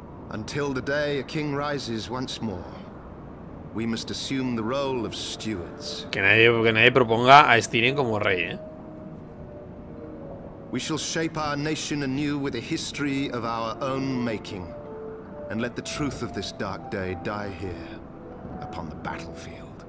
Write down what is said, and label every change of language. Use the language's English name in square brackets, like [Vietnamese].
[English] Until the day a king rises once more, we must assume the role of stewards. [Spanish] Que nadie proponga a Styrian como rey, ¿eh? [English] We shall shape our nation anew with a history of our own making, and let the truth of this dark day die here, upon the battlefield.